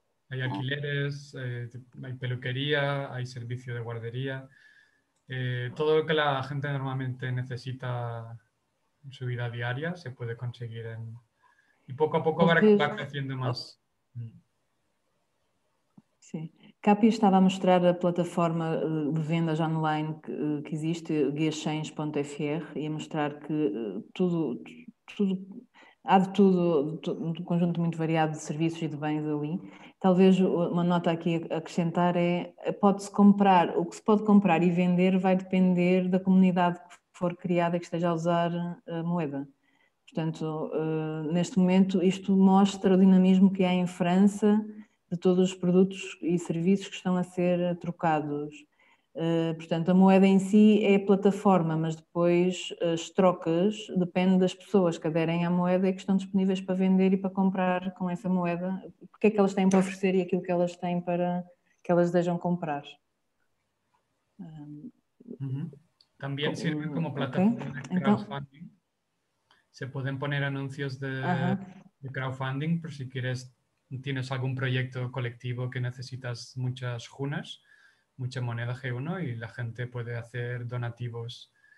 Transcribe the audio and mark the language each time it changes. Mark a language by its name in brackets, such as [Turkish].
[Spanish] Hay alquileres, hay peluquería, hay servicio de guardería. Todo lo que la gente normalmente necesita en su vida diaria se puede conseguir. Y poco a poco va creciendo más. Sí. [Portuguese] Capi estava a mostrar a plataforma de vendas online que existe, guiachange.fr, e a mostrar que tudo há de tudo, um conjunto muito variado de serviços e de bens ali. Talvez uma nota aqui a acrescentar é, pode-se comprar, o que se pode comprar e vender vai depender da comunidade que for criada que esteja a usar a moeda. Portanto, neste momento isto mostra o dinamismo que há em França, de todos os produtos e serviços que estão a ser trocados. Portanto, a moeda em si é a plataforma, mas depois as trocas dependem das pessoas que aderem à moeda e que estão disponíveis para vender e para comprar com essa moeda. O que é que elas têm para oferecer e aquilo que elas têm para que elas desejam comprar? [Spanish] También sirve como plataforma de crowdfunding. Se pueden poner anuncios de crowdfunding por si quieres, tienes algún proyecto colectivo que necesitas muchas junas, mucha moneda G1, y la gente puede hacer donativos.